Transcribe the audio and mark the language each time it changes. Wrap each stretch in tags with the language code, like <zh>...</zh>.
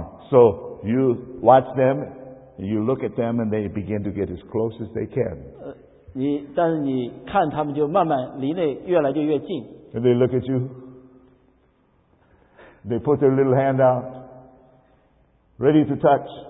<en>So you watch them, you look at them, and they begin to get as close as they can.</en> <zh>但是你看他们就慢慢离那越来就越近。</zh> <en>And they look at you. They put their little hand out, ready to touch.</en>